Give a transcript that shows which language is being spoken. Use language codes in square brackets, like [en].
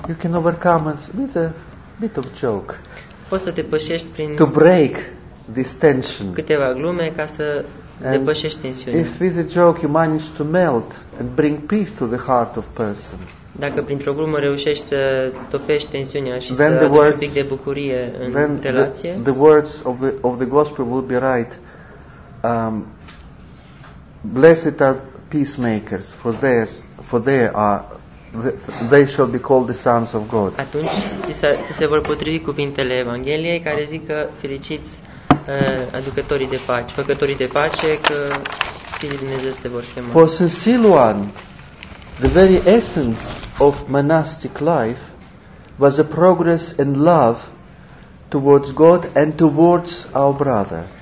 [en] You can overcome it with a bit of joke. [ro] Poți să te pășești prin [en] to break this tension. [ro] Câteva glume ca să depășești tensiunea. [en] If with a joke you manage to melt and bring peace to the heart of person. [ro] Dacă printr-o glumă reușești să topești tensiunea și să aduci un pic de bucurie în relație, [en] the words of the gospel will be right. Blessed are peacemakers, for they shall be called the sons of God. [ro] Atunci ți se vor potrivi cuvintele Evangheliei care zic că fericiți aducătorii de pace, făcătorii de pace, că fiii lui Dumnezeu se vor chema. [en] For Saint Silwan, the very essence of monastic life was a progress in love towards God and towards our brother.